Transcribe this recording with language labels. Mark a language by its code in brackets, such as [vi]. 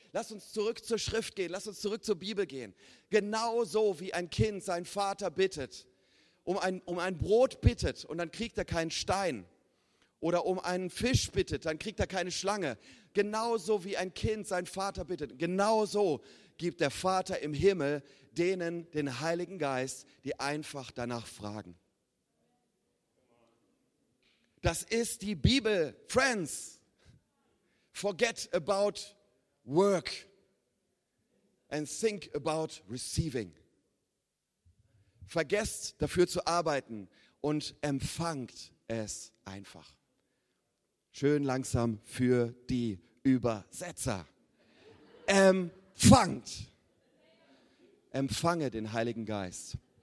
[de] Lass uns zurück zur Schrift gehen, lass uns zurück zur Bibel gehen. Genauso wie ein Kind seinen Vater bittet, um ein Brot bittet und dann kriegt er keinen Stein. Oder um einen Fisch bittet, dann kriegt er keine Schlange. Genauso wie ein Kind seinen Vater bittet, genauso gibt der Vater im Himmel denen den Heiligen Geist, die einfach danach fragen. Das ist die Bibel. [en] Friends, forget about work and think about receiving. [de] Vergesst dafür zu arbeiten und empfangt es einfach. Schön langsam für die Übersetzer. Empfangt. Empfange den Heiligen Geist.